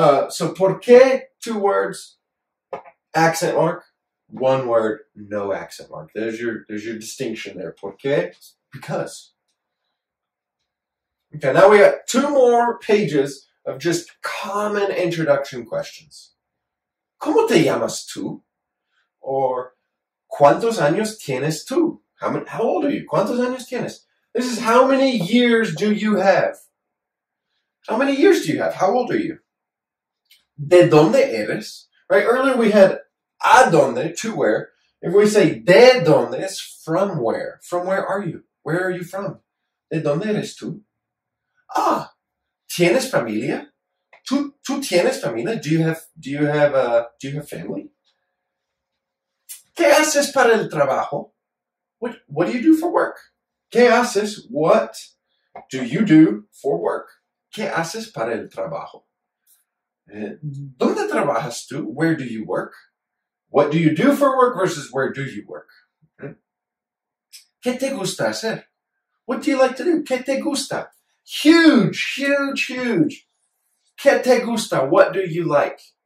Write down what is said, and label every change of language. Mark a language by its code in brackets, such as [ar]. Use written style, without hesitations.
[en] So, [es] por qué, [en] two words, accent mark. One word, no accent mark. There's your distinction there. [es] Por qué? [en] Because. Okay, now we got two more pages of just common introduction questions. [es] ¿Cómo te llamas tú? Or, ¿cuántos años tienes tú? [en] How old are you? [es] ¿Cuántos años tienes? [en] This is how many years do you have? How many years do you have? How old are you? [es] ¿De dónde eres? [en] Right, earlier we had a dónde, to where. If we say de dónde, it's from where. From where are you? Where are you from? [es] ¿De dónde eres tú? Ah, ¿tienes familia? ¿Tú tienes familia? [en] Do you have family? [es] ¿Qué haces para el trabajo? [en] What do you do for work? [es] ¿Qué haces? [en] What do you do for work? [es] ¿Qué haces para el trabajo? ¿Dónde trabajas tú? [en] Where do you work? What do you do for work versus where do you work? [es] ¿Qué te gusta hacer? [en] What do you like to do? [es] ¿Qué te gusta? [en] Huge, huge, huge. [es] ¿Qué te gusta? [en] What do you like?